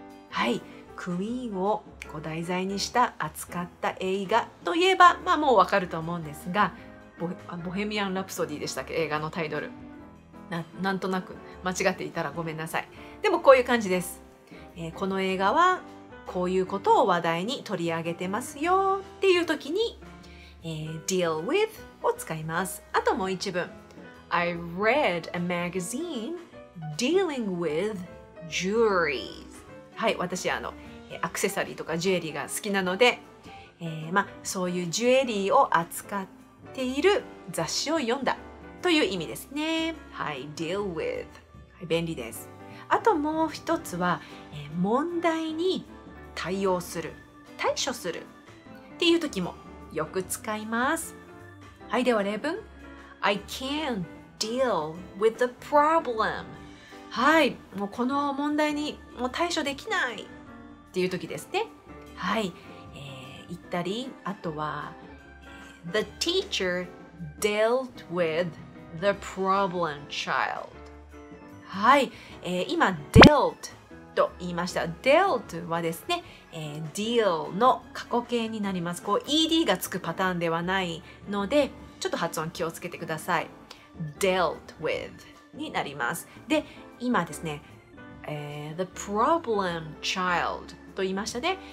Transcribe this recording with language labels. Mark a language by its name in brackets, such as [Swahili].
[Japanese] はい、 Queen を題材にした扱った映画といえば、もうわかると思うんですが、ボヘミアン・ラプソディでしたっけ、映画のタイトル。なんとなく間違っていたらごめんなさい。でもこういう感じです、この映画はこういうことを話題に取り上げてますよっていう時に、deal with を使います。あともう一文。 [English] I read a magazine dealing with jewelry. [Japanese] はい、私アクセサリーとかジュエリーが好きなので、そういうジュエリーを扱っている雑誌を読んだという意味ですね。はい、deal with。はい、便利です。あともう一つは、問題に対応する、対処するっていう時もよく使います。はい、では例文、 [English] I can't deal with the problem。 [Japanese] はい、もうこの問題にもう対処できないっていう時ですね。はい、言ったり、あとは [English] The teacher dealt with the problem child。 [Japanese] はい、今 dealtと言いました。 dealt はですね、deal の過去形になります。こう ed がつくパターンではないので、ちょっと発音気をつけてください。 dealt with になります。で、今ですね、 [English] the problem child [Japanese] と言いましたね。